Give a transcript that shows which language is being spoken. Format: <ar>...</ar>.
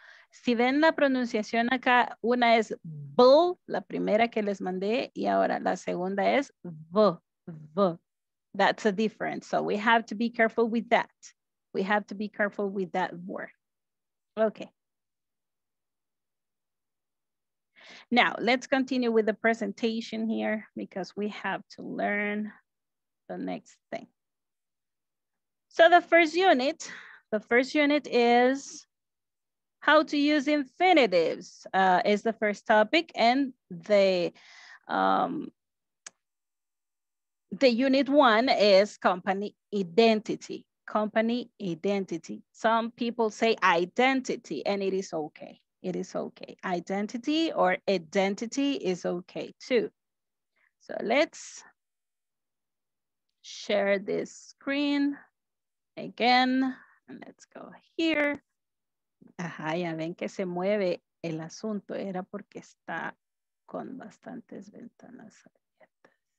<es>Si ven la pronunciación acá, una es b, la primera que les mandé, y ahora la segunda es v, v.</es> <en>That's a difference. So we have to be careful with that. We have to be careful with that word. Okay. Now, let's continue with the presentation here because we have to learn the next thing. So the first unit is... How to use infinitives is the first topic, and the unit one is company identity. Some people say identity, and it is okay. It is okay. Identity or identity is okay too. So let's share this screen again, and let's go here.</en> <es>Ajá, ya ven que se mueve el asunto, era porque está con bastantes ventanas abiertas.</es>